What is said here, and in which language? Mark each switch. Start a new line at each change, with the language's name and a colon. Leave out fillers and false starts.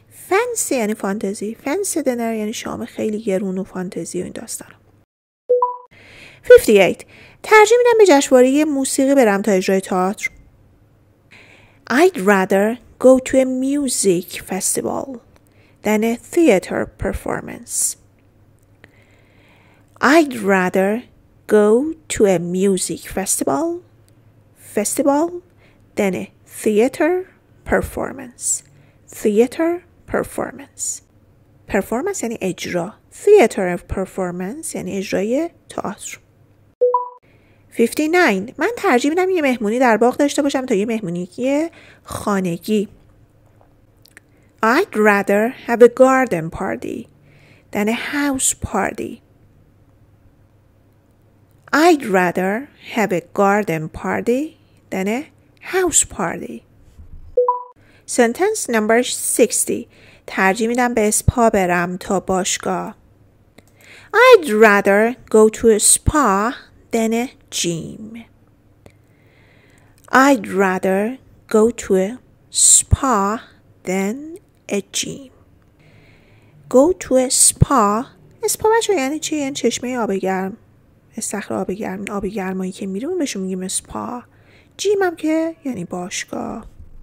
Persian: فنسی یعنی فانتزی. فنسی دنر یعنی شام خیلی گرون و فانتزی و این داستان.
English: 58.
Persian: ترجیح میدم به جشنواره موسیقی برم تا اجرای تئاتر.
English: I'd rather go to a music festival than a theater performance. I'd rather go to a music festival than a theater performance. Theater performance.
Persian: Performance یعنی اجرا.
English: Theater of performance
Persian: یعنی اجرای تئاتر. 59. من ترجیح میدم یه مهمونی در باغ داشته باشم تا یه مهمونی خانگی.
English: I'd rather have a garden party than a house party. I'd rather have a garden party than a house party. Sentence number 60.
Persian: ترجیح میدم به اسپا برم تا باشگاه.
English: I'd rather go to a spa than a gym. I'd rather go to a spa than a gym. Go to a spa.
Persian: اسپا بچه یعنی چی؟ یعنی چشمه آب گرم. استخر آب گرم. آب گرمایی که میرون بهشون میگیم اسپا. جیم هم که یعنی باشگاه.